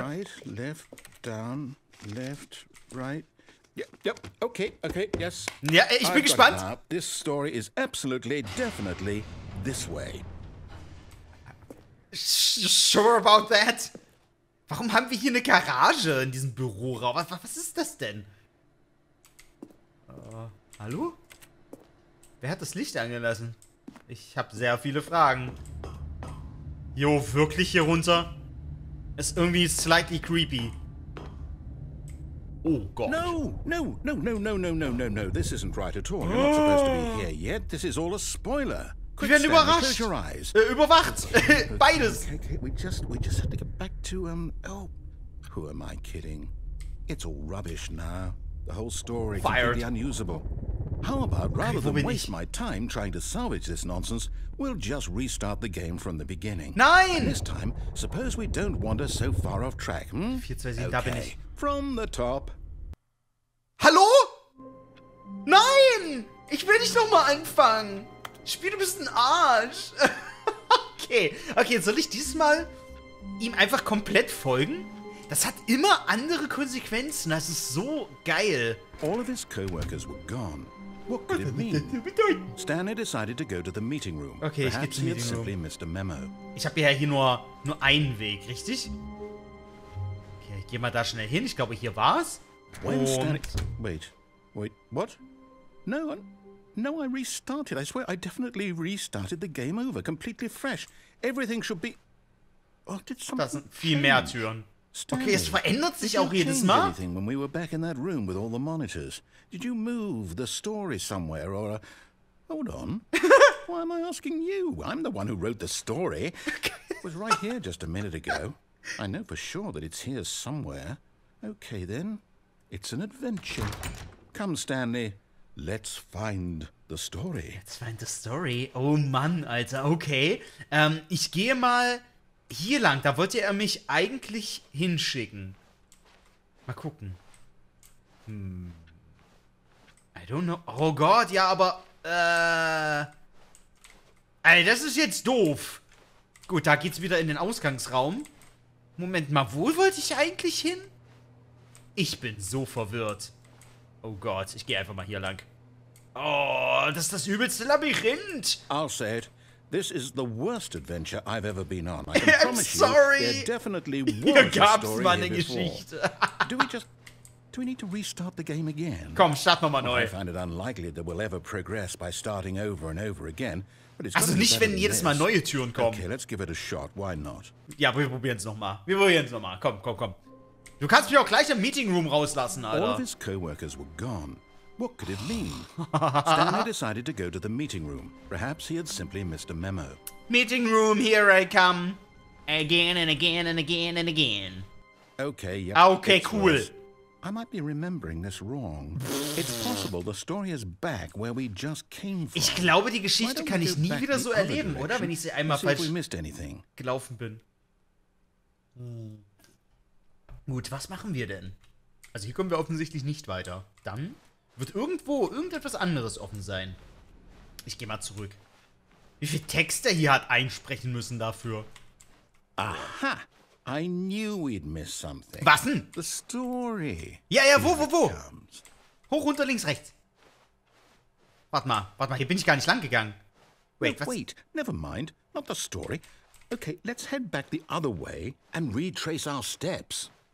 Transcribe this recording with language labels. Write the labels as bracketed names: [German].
[English] Right, left, down, left, right. Yep. Okay, yes. [German] Ja, ich bin gespannt. [English] This story is absolutely, definitely this way. Sure about that? [German] Warum haben wir hier eine Garage in diesem Büroraum? Was ist das denn? Hallo? Wer hat das Licht angelassen? Ich habe sehr viele Fragen. Jo, wirklich hier runter? Ist irgendwie slightly creepy. Oh Gott. [English] No, this isn't right at all. You're not supposed to be here yet. This is all a spoiler. [German] Wir werden überrascht. Überwacht. Beides. [English] Okay, we just have to get back to, oh. Who am I kidding? It's all rubbish now. The whole story is completely unusable. How about, rather than waste my time trying to salvage this nonsense, we'll just restart the game from the beginning. [German] Nein! [English] And this time, suppose we don't wander so far off track, hm? Okay, from the top. [German] Hallo? Nein! Ich will nicht nochmal anfangen. Spiel, du bist ein Arsch. Okay, soll ich dieses Mal ihm einfach komplett folgen? Das hat immer andere Konsequenzen. Das ist so geil. [English] All of his co-workers were gone. What could it mean? Stanley decided to go to the meeting room. Okay, perhaps [German] ich gehe zum Meeting Room. [English] Simply missed a memo. [German] Ich habe ja hier nur einen Weg, richtig? Okay, ich gehe mal da schnell hin. Ich glaube, hier war's. [English] When Wait, what? No, I restarted. I swear, I definitely restarted the game over, completely fresh. Everything should be... Oh, did something [German] Das sind viel mehr Türen. [English] Stanley, [German] okay, es verändert sich auch jedes Mal. [English] Did you change when we were back in that room with all the monitors? Did you move the story somewhere or... Hold on. Why am I asking you? I'm the one who wrote the story. It was right here just a minute ago. I know for sure that it's here somewhere. Okay, then. It's an adventure. Come, Stanley. Let's find the story. Let's find the story. [German] Oh Mann, Alter. Okay. Ich gehe mal... Hier lang, da wollte er mich eigentlich hinschicken. Mal gucken. [English] I don't know. [German] Oh Gott, ja, aber... Alter, das ist jetzt doof. Gut, da geht's wieder in den Ausgangsraum. Moment mal, wo wollte ich eigentlich hin? Ich bin so verwirrt. Oh Gott, ich gehe einfach mal hier lang. Oh, das ist das übelste Labyrinth. [English] I'll say it. This is the worst adventure I've ever been on. I can promise you, there definitely was a story here before. Do we need to restart the game again? [German] Komm, start nochmal neu. [English] I find it unlikely that we'll ever progress by starting over and over again. But it's [German] also nicht, wenn jedes Mal neue Türen kommen. [English] Okay, let's give it a shot. Why not? [German] Ja, wir probieren es nochmal. Wir probieren es nochmal. Komm, komm, komm. Du kannst mich auch gleich im Meeting Room rauslassen, Alter. [English] All of his co-workers were gone. What could it mean? Stanley decided to go to the meeting room. Perhaps he had simply missed a memo. Meeting room, here I come. Again and again and again and again. Okay, yeah. Okay, cool. I might be remembering this wrong. It's possible the story is back where we just came from. [German] Ich glaube, die Geschichte kann ich nie wieder so erleben, oder? Wenn ich sie einmal falsch gelaufen bin. Gut, was machen wir denn? Also hier kommen wir offensichtlich nicht weiter. Dann wird irgendwo irgendetwas anderes offen sein. Ich gehe mal zurück. Wie viel Text er hier hat einsprechen müssen dafür? Aha. [English] I knew we'd miss something. [German] Was denn? [English] The story. [German] Ja, ja, wo? Hoch, runter, links, rechts. Warte mal, hier bin ich gar nicht lang gegangen. [English] Wait, never mind, not the story. Okay, let's head back the other way and retrace our steps.